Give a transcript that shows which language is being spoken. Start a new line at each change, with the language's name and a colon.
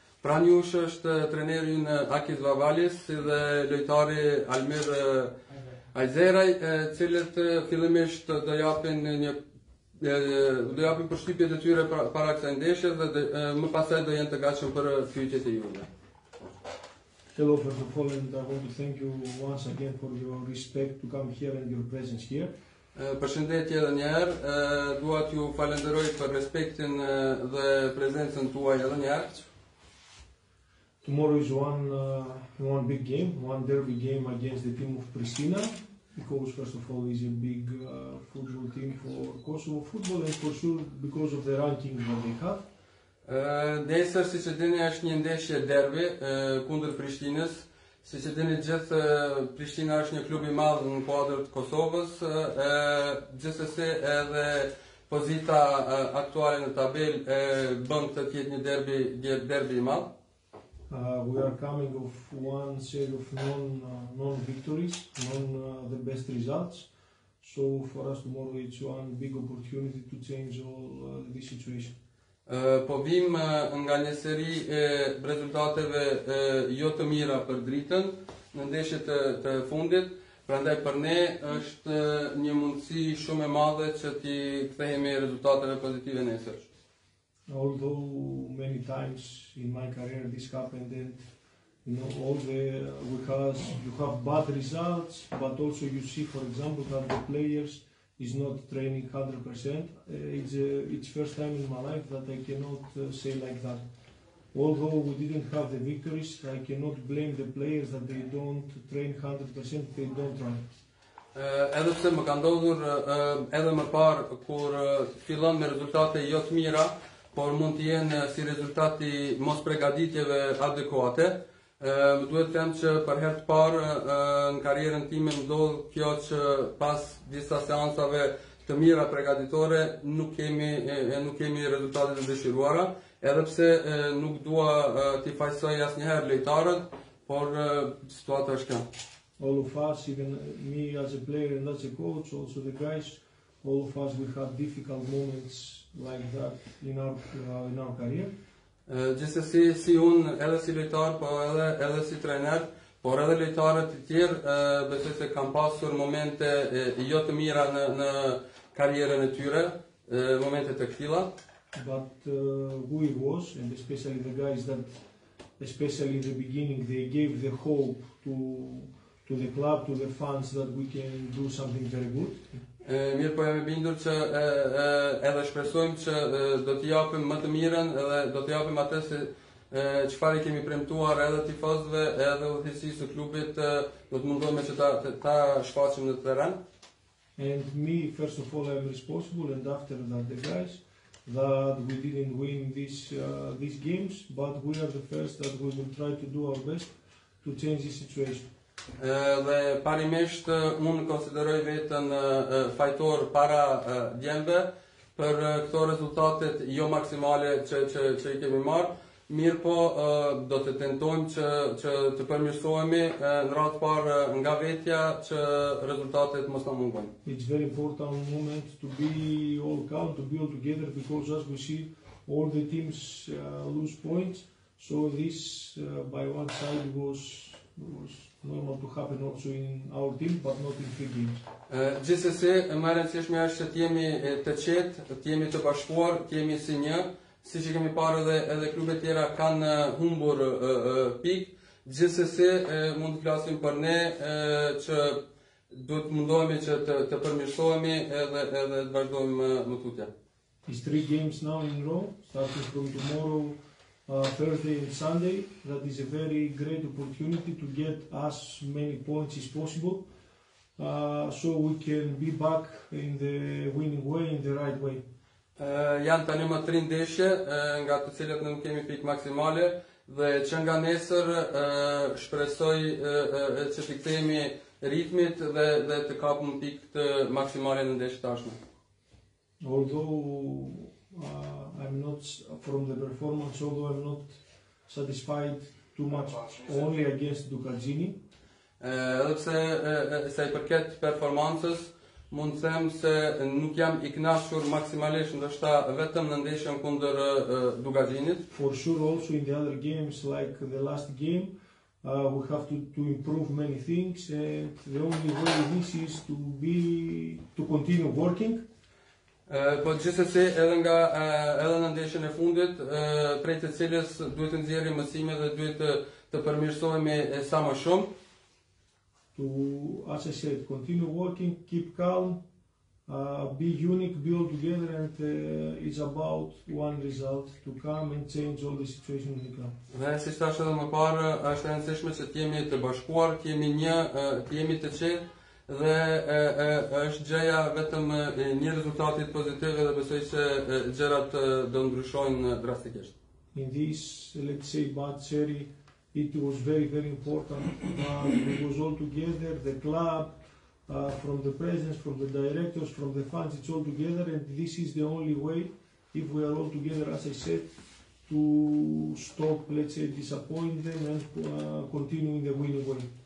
Albanian: Pranë jush është treneri ynë Akif Vavalis si dhe lojtari Almir Ajzeraj, cilët fillimisht do japin një do japim përshtypje të tyre para kësaj ndeshje dhe më pasaj do jenë të gatshëm për pyetjet e juve.
English: Hello, first of all, and I want to thank you once again for your respect to come here and your presence here.
Albanian: Përshëndetje edhe njëherë, dua t'ju falenderoj për respektin dhe prezencën tuaj edhe njëherë.
English: Tomorrow is one big game, one derby game against the team of Pristina. Because first of all, is a big football team for Kosovo football, and for sure because of the ranking that they have.
Albanian: Nesër, si që dini, është një ndeshje derbi kundër Prishtinës. Si që dini gjithë, Prishtina është një klub i madhë në kuadrët Kosovës. Gjithsesi, edhe pozita aktuale në tabelë bën të tjetë një derbi i madhë.
English: We are coming off one series of non-victories, the best results. So for us tomorrow it's one big opportunity to change all this situation.
Albanian: Po vim nga një seri rezultateve jo të mira për dritën në ndeshjet të fundit. Prandaj për ne është një mundësi shumë e madhe që ti kthehemi rezultateve pozitive nesër.
English: Although many times in my career this happened, and you know, all the because you have bad results, but also you see, for example, that the players is not training 100%. It's first time in my life that I cannot say like that. Although we didn't have the victories, I cannot blame the players that they don't train 100%. They don't run.
Albanian: Edhe pse më ka ndodhur edhe më parë kur fillon me rezultate jo të mira. Por mund të jenë si rezultati mos pregaditjeve adekuate. Më duhet të them që për herë të parë në karrierën time më ndodh kjo që pas disa seancave të mira pregaditore nuk kemi rezultate të dëshiruara, edhe pse nuk dua t'i fajsoj asnjëherë lojtarët, por situata është kjo.
English: All of us, even me as a player and as a coach, also the guys, all of us we had difficult moments like that in our career.
Albanian: Gjithsesi, si unë, edhe si lojtar, po edhe si trener, por edhe lojtarët të tjerë, besoj se kanë pasur momente jo të mira në karrierën e tyre, momente të këtilla.
English: But who it was, and especially the guys that, especially in the beginning, they gave the hope to the club, to the fans, that we can do something very good.
Albanian: Mirë po jam e bindur që edhe shpresojmë që do t'i japim më të mirën edhe do t'i japim atë se çfarë kemi premtuar edhe tifozëve edhe udhëheqësisë së klubit do të mundohemi që ta shfaqim në terren.
English: And me first of all I'm responsible and after that the guys that we didn't win these games but we are the first that we will try to do our best to change the situation.
Albanian: Dhe parimisht unë konsideroj vetën fajtor para djembe për këto rezultatet jo maksimale që i kemi marrë, mirë po do të tentojmë që të përmirësohemi në radhë parë nga vetja që rezultatet mos na mungojnë.
English: It's very important moment to be all calm, to be all together because as we see all the teams lose points, so this by one side was normal to happen also in our team, but not in three games.
Albanian: Gjithsesi, më rëndësishme është që të jemi të qetë, të jemi të bashkuar, të jemi si një. Siç e kemi parë edhe klubet tjera kanë humbur pikë. Gjithsesi, mund të flasim për ne që duhet mundohemi që të përmirësohemi edhe të vazhdojmë më tutje.
English: It's three games now in row, starting from tomorrow. Thursday and Sunday, that is a very great opportunity to get as many points as possible so we can be back in the winning way, in the right way.
Albanian: Janë tani më 3 ndeshje nga të cilat nuk kemi pikë maksimale dhe që nga nesër shpresoj që të kthehemi ritmit dhe të kapim pikë maksimale në ndeshjet tashme.
English: Although I'm not from the performance, although I'm not satisfied too much only against Dukagjini.
Albanian: Edhepse sa i përket performances, mund them se nuk jam i knashur maksimalisht ndoshta vetëm në ndeshjen kundër Dukagjinit.
English: For sure also in the other games, like the last game, we have to improve many things, and the only way this is to continue working.
Albanian: Po gjithsesi edhe nga edhe në ndeshjen e fundit, prej të cilës duhet të nxjerrim mësime dhe duhet të përmirësohemi sa më shumë.
English: To, as I said, continue working, keep calm, be unique, be all together, and it's about one result to come and change all the situation in the club.
Albanian: Dhe si thash edhe më parë, është e rëndësishme që të jemi të bashkuar, të jemi një, të jemi të qetë. Dhe është gjëja vetëm një rezultatit pozitiv dhe besoj që gjërat do ndryshojnë drastikisht.
English: In this, let's say, bad cherry, it was very, very important, but it was all together, the club, from the presidents, from the directors, from the fans, it's all together, and this is the only way, if we are all together, as I said, to stop, let's say, disappoint them and continue in the winning way.